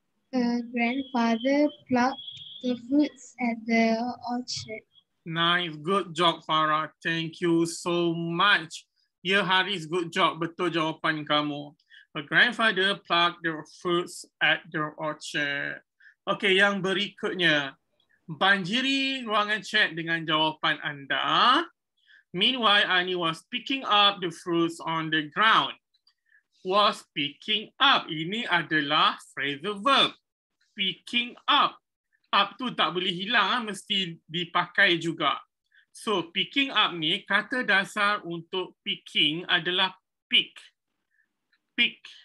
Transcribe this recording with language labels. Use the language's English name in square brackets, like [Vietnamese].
[English] Her grandfather plucked the fruits at the orchard. Nice. Good job, Farah. Thank you so much. Yeah, Haris, good job. [Malay] Betul jawapan kamu. [English] Her grandfather plucked the fruits at the orchard. [Malay] Okay, yang berikutnya. Banjiri ruangan chat dengan jawapan anda. [English] Meanwhile, Ani was picking up the fruits on the ground. Was picking up. [Malay] Ini adalah phrasal verb. [English] Picking up. [Malay] Up tu tak boleh hilang. Mesti dipakai juga. So, picking up ni, kata dasar untuk picking adalah pick. Pick.